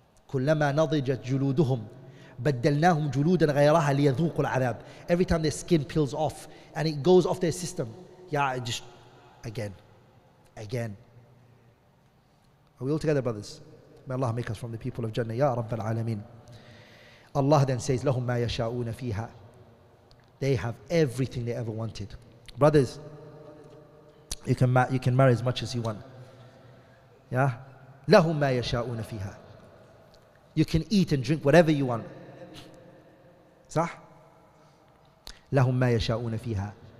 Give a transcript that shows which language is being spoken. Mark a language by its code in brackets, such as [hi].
[ar] كُلَّمَا نَضِجَتْ جُلُودُهُمْ بَدَّلْنَاهُمْ جُلُودًا غَيْرَهَا لِيَذُوقُ الْعَذَابِ. [en] Every time their skin peels off and it goes off their system, yeah, just again. Are we all together, brothers? May Allah make us from the people of Jannah. Ya Rabbal Alameen. Allah then says, [ar] لَهُمْ مَا يَشَاءُونَ فِيهَا. [en] They have everything they ever wanted. Brothers, you can marry as much as you want. [ar] Yeah? لَهُمْ مَا يَشَاءُونَ فِيهَا. [en] You can eat and drink whatever you want. [ar] صح? لَهُمْ مَا يَشَاءُونَ فِيهَا.